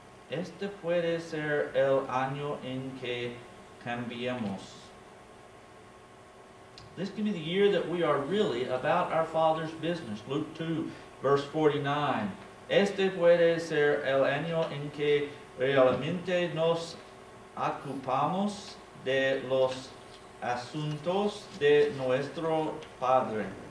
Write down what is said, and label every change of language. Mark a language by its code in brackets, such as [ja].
[es] Este puede ser el año en que cambiemos. [en] This can be the year that we are really about our Father's business. Luke 2, verse 49. [es] Este puede ser el año en que realmente nos ocupamos de los asuntos de nuestro Padre.